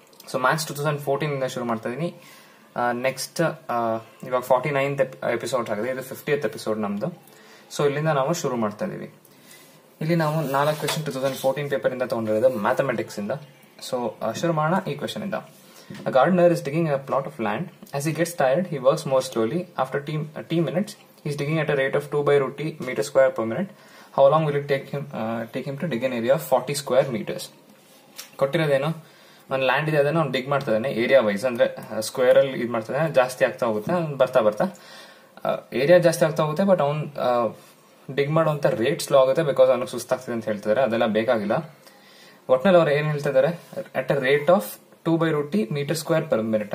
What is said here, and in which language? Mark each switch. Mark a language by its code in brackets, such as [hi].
[kn] So maths 2014 ಇಂದ ಶುರು ಮಾಡ್ತಾ ಇದೀನಿ. ನೆಕ್ಸ್ಟ್ ಇವಾಗ 49th ಎಪಿಸೋಡ್ ಆಗಿದೆ, ಇದು 50th ಎಪಿಸೋಡ್ ನಮ್ದು. ಸೊ ಇಲ್ಲಿಂದ ನಾವು ಶುರು ಮಾಡ್ತಾ ಇದೀವಿ. ಇಲ್ಲಿ ನಾವು 4 ಕ್ವೆಶನ್ 2014 ಪೇಪರ್ ಇಂದ ತಗೊಂಡಿರೋದು, ಮ್ಯಾಥಮೆಟಿಕ್ಸ್ ಇಂದ. ಸೊ ಶುರು ಮಾಡೋಣ ಈ ಕ್ವೆಶನ್ ಇಂದ. [en] A gardener is digging a plot of land. As he gets tired, he works more slowly. After T minutes, he is digging at a rate of 2 by root T meter square per minute. How long will it take him to dig an area of 40 square meters? [kn] ಕೊಟ್ಟಿರೋದೇನು, ಒಂದು land ಇದೆ, ಅದನ್ನು ಅವ್ನು ಡಿಗ್ ಮಾಡ್ತಾ ಇದ್ದಾನೆ area wise, ಅಂದ್ರೆ square ಅಲ್ಲಿ ಇದು ಮಾಡ್ತಾ ಇದ್ದಾನೆ, ಜಾಸ್ತಿ ಆಗ್ತಾ ಹೋಗುತ್ತೆ ಬರ್ತಾ ಏರಿಯಾ ಜಾಸ್ತಿ ಆಗ್ತಾ ಹೋಗುತ್ತೆ. ಬಟ್ ಅವ್ನು ಡಿಗ್ ಮಾಡುವಂತ ರೇಟ್ ಸ್ಲೋ ಆಗುತ್ತೆ, ಬಿಕಾಸ್ ಅವ್ನಿಗೆ ಸುಸ್ತಾಗ್ತದೆ ಅಂತ ಹೇಳ್ತಿದ್ದಾರೆ, ಅದೆಲ್ಲ ಬೇಕಾಗಿಲ್ಲ. ಒಟ್ನಲ್ಲಿ ಅವ್ರು ಏನ್ ಹೇಳ್ತಾ ಇದಾರೆ, [en] At a rate of 2 by root T metre square per minute.